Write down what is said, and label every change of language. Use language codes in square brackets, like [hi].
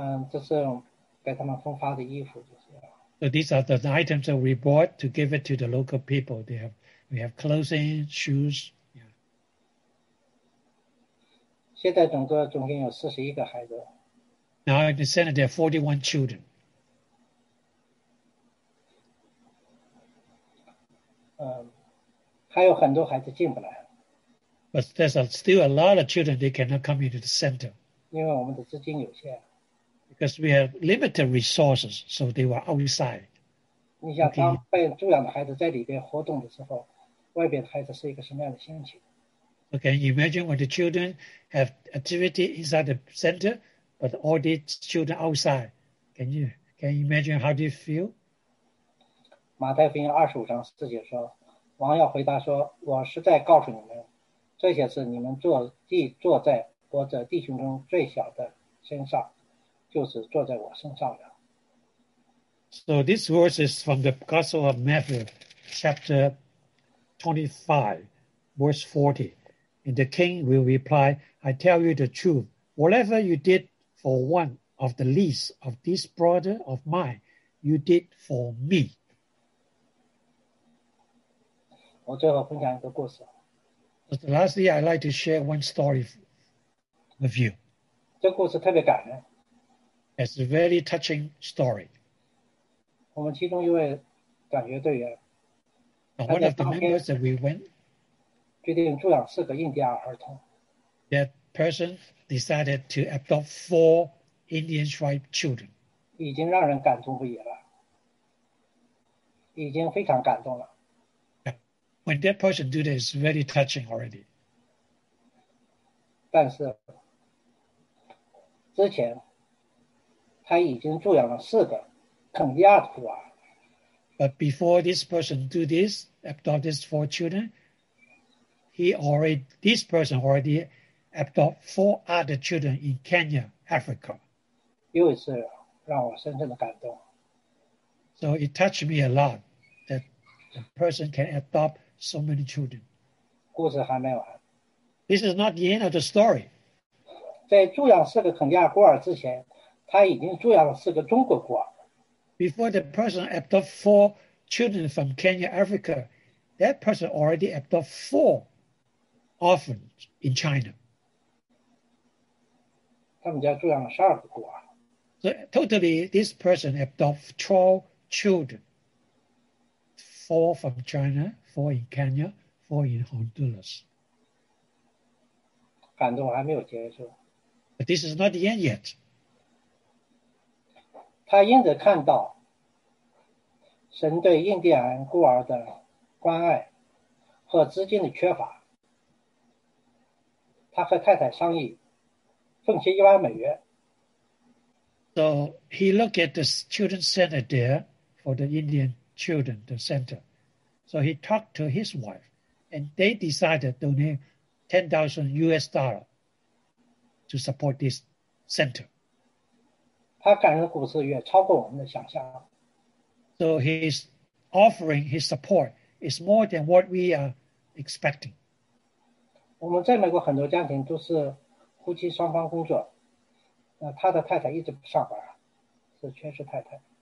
[zh] 这是给他们分发的衣服，就是。 [en] So these are the items that we bought to give it to the local people. We have clothing, shoes. Yeah. [zh] 现在总共有41个孩子。 [en] Now in the center there are 41 children. [zh] 还有很多孩子进不来。 [en] But there's still a lot of children that cannot come into the center. [zh] 因为我们的资金有限。 [en] Because we have limited resources, so they were outside. [zh] 你想当被助养的孩子在里面活动的时候，外边的孩子是一个什么样的心情？ [en] Okay, imagine when the children have activity inside the center, but all these children outside. Can you imagine how do you feel? [zh] 马太福音25:4说。王要回答说：“我实在告诉你们，这些事你们坐在我的弟兄中最小的身上，就是坐在我身上的。”So [en] this verse is from the Gospel of Matthew, chapter 25, verse 40. And the king will reply, "I tell you the truth, whatever you did for one of the least of these brother of mine, you did for me." [zh] 我最后分享一个故事。 [en] Lastly, I'd like to share one story with you. [zh] 这故事特别感人。 [en] It's a very touching story. [zh] 我们其中一位转学队员。 [en] One of the members that we went. [zh] 决定助养四个印第安儿童。 [en] That person decided to adopt four Indian tribe children. [zh] 已经让人感动不已了。已经非常感动了。 Yeah. [en] When that person do that, it's very touching already. [zh] 但是之前他已经助养了四个肯尼亚的孤儿。 [en] But before this person do this, adopt these four children, this person already adopt four other children in Kenya, Africa. [zh] 又一次让我深深的感动。 [en] So it touched me a lot. A person can adopt so many children. [zh] 故事还没完。 [en] This is not the end of the story. [zh] 在助养四个肯尼亚孤儿之前，他已经助养了四个中国孤儿。 [en] Before the person adopt four children from Kenya, Africa, that person already adopt four orphans in China. [zh] 他们家助养了十二个孤儿。 [en] So totally, this person adopt 12 children. Four from China, four in Kenya, four in Honduras. [zh] 感动还没有结束。 [en] But this is not the end yet. [zh] 他因此看到神对印第安孤儿的关爱和资金的缺乏。他和太太商议奉献$10,000。 [en] So he looked at the children's center there for the Indian children, the center. So he talked to his wife, and they decided to donate $10,000 to support this center. [zh] 他感人的故事远超过我们的想象。 [en] So his offering, his support, is more than what we are expecting. [zh] 我们在美国很多家庭都是夫妻双方工作，他的太太一直不上班，是全职太太。